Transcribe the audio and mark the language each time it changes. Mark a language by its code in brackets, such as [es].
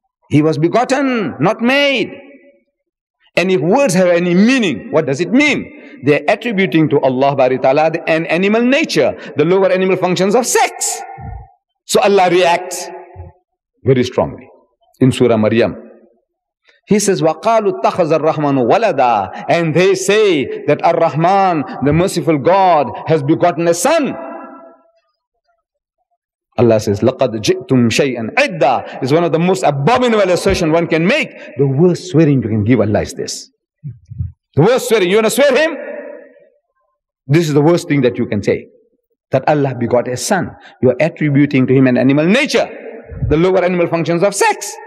[en] He was begotten, not made. And if words have any meaning, what does it mean? They're attributing to Allah Bari Ta'ala an animal nature, the lower animal functions of sex. So Allah reacts very strongly in Surah Maryam. He says, [ar] وَقَالُوا اتَّخَذَ الرَّحْمَنُ وَلَدًا. [en] And they say that Ar-Rahman, the merciful God, has begotten a son. Allah says, [ar] لَقَدْ جِئْتُمْ شَيْئًا عِدًّا. [en] It's one of the most abominable assertions one can make. The worst swearing you can give Allah is this. The worst swearing. You want to swear him? This is the worst thing that you can say. That Allah begot a son. You are attributing to him an animal nature. The lower animal functions of sex.